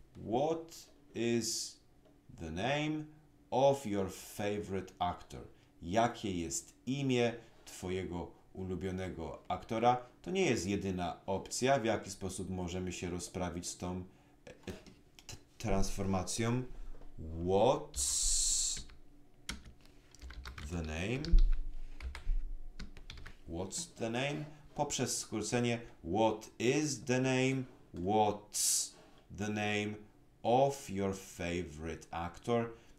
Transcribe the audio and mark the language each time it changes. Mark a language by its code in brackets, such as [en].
[en] What is the name of your favorite actor? [pl] Jakie jest imię Twojego ulubionego aktora? To nie jest jedyna opcja, w jaki sposób możemy się rozprawić z tą transformacją. [en] What's the name? What's the name? [pl] Poprzez skrócenie [en] what is the name? What's the name of your favorite actor?